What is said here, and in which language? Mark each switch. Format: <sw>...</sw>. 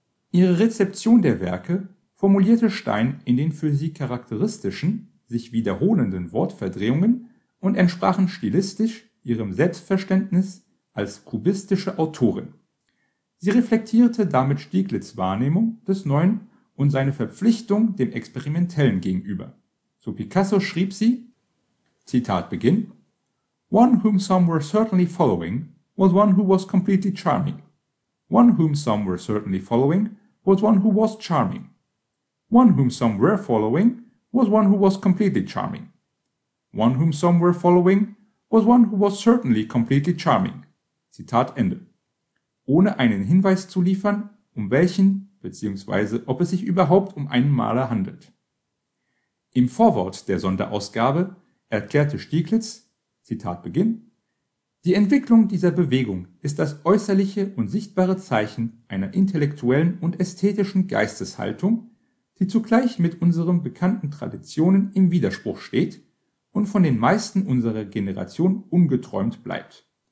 <de>Ihre Rezeption der Werke formulierte Stein in den für sie charakteristischen, sich wiederholenden Wortverdrehungen und entsprachen stilistisch ihrem Selbstverständnis als kubistische Autorin. Sie reflektierte damit Stieglitz' Wahrnehmung des Neuen und seine Verpflichtung dem Experimentellen gegenüber. Zu Picasso schrieb sie, Zitat Beginn,</de> <en>"One whom some were certainly following was one who was completely charming. One whom some were certainly following was one who was charming. One whom some were following was one who was completely charming. One whom some were following was one who was certainly completely charming."</en> <de>Zitat Ende. Ohne einen Hinweis zu liefern, um welchen bzw. ob es sich überhaupt um einen Maler handelt. Im Vorwort der Sonderausgabe erklärte Stieglitz, Zitat Beginn, "Die Entwicklung dieser Bewegung ist das äußerliche und sichtbare Zeichen einer intellektuellen und ästhetischen Geisteshaltung, die zugleich mit unseren bekannten Traditionen im Widerspruch steht und von den meisten unserer Generation ungeträumt bleibt.</de>